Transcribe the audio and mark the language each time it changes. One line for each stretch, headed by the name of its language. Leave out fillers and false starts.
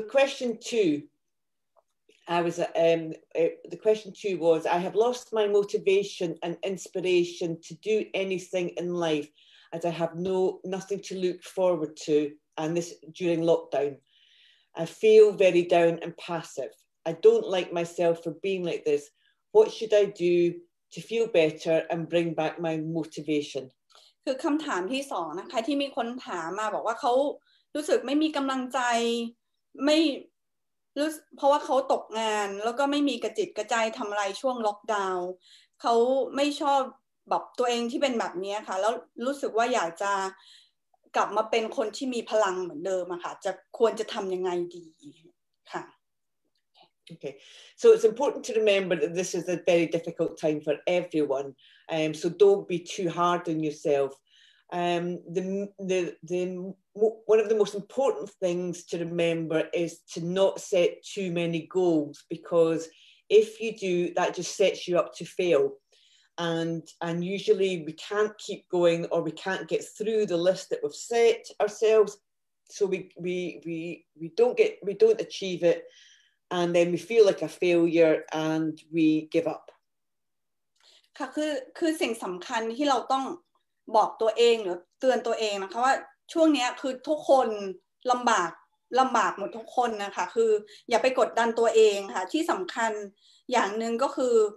English: question 2 I was the question two was, I have lost my motivation and inspiration to do anything in life as I have nothing to look forward to, and this during lockdown. I feel very down and passive. I don't like myself for being like this. What should I do to feel better and bring back my motivation?
Thai: คือคำถามที่สองนะคะที่มีคนถามมาบอกว่าเขารู้สึกไม่มีกำลังใจไม่รู้เพราะว่าเขาตกงานแล้วก็ไม่มีกระจิตกระใจทำอะไรช่วงล็อกดาวน์เขาไม่ชอบแบบตัวเองที่เป็นแบบนี้ค่ะแล้วรู้สึกว่าอยากจะกลับมาเป็นคนที่มีพลังเหมือนเดิมอะค่ะจะควรจะทำยังไงดีค่ะ
English: Okay, so it's important to remember that this is a very difficult time for everyone. So don't be too hard on yourself. One of the most important things to remember is to not set too many goals, because if you do, that just sets you up to fail. And usually we can't keep going, or we can't get through the list that we've set ourselves. So we don't achieve it. And then we feel like a failure and we give up.
Thai: ค่ะคือสิ่งสำคัญที่เราต้องบอกตัวเองหรือเตือนตัวเองนะคะว่าช่วงนี้คือทุกคนลำบากหมดทุกคนนะคะคืออย่าไปกดดันตัวเองค่ะที่สำคัญอย่างนึงก็คือ